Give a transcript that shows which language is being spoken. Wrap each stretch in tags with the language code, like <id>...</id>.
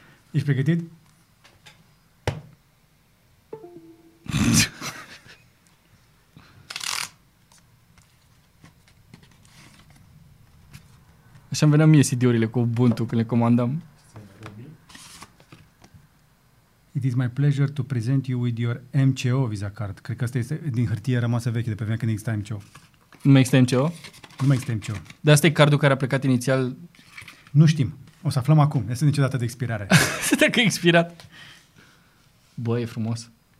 <ro>Ești pregătit? Și am venit mie CD-urile cu Ubuntu când le comandam.</ro> <en>It is my pleasure to present you with your MCO Visa card.</en> <ro>Cred că asta este din hârtie rămasă veche de pe vremea când exista MCO. Nu mai există MCO? Nu mai există MCO. Dar asta e cardul care a plecat inițial? Nu știm. O să aflăm acum. Este nicio dată de expirare. Dacă e expirat. Bă, e frumos.</ro>